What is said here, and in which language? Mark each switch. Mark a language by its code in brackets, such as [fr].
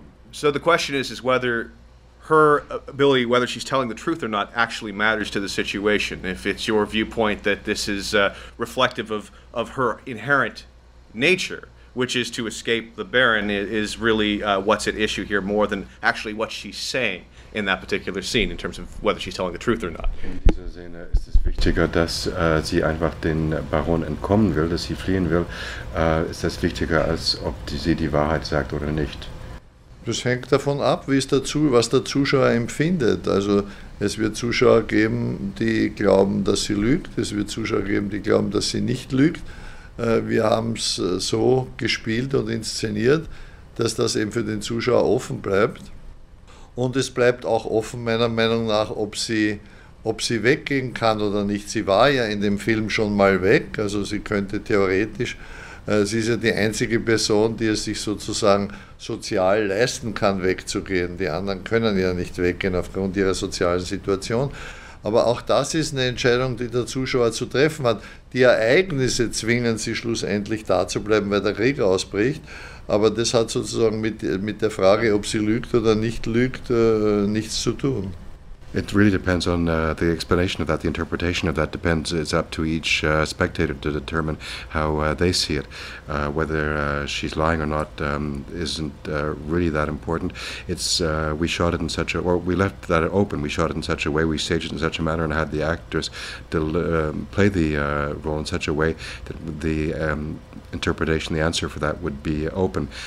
[en] So the question is whether her ability, whether she's telling the truth or not, actually matters to the situation. If it's your viewpoint that this is reflective of her inherent nature, which is to escape the Baron, is really what's at issue here more than actually what she's saying in that particular scene, in terms of whether she's telling the truth or not. [de] In dieser Szene ist es wichtiger, dass sie einfach den Baron entkommen will, dass sie fliehen will. Ist das wichtiger, als ob sie die Wahrheit sagt oder nicht? Das hängt davon ab, was der Zuschauer empfindet. Also es wird Zuschauer geben, die glauben, dass sie lügt. Es wird Zuschauer geben, die glauben, dass sie nicht lügt. Wir haben es so gespielt und inszeniert, dass das eben für den Zuschauer offen bleibt. Und es bleibt auch offen, meiner Meinung nach, ob sie weggehen kann oder nicht. Sie war ja in dem Film schon mal weg, also sie könnte theoretisch, sie ist ja die einzige Person, die es sich sozusagen sozial leisten kann, wegzugehen. Die anderen können ja nicht weggehen aufgrund ihrer sozialen Situation. Aber auch das ist eine Entscheidung, die der Zuschauer zu treffen hat. Die Ereignisse zwingen sie schlussendlich da zu bleiben, weil der Krieg ausbricht. Aber das hat sozusagen mit der Frage, ob sie lügt oder nicht lügt, nichts zu tun. [en] It really depends on the explanation of that, the interpretation of that depends. It's up to each spectator to determine how they see it. Whether she's lying or not isn't really that important. It's we shot it in such a, or we left that open. We shot it in such a way, we staged it in such a manner, and had the actors play the role in such a way that the interpretation, the answer for that would be open.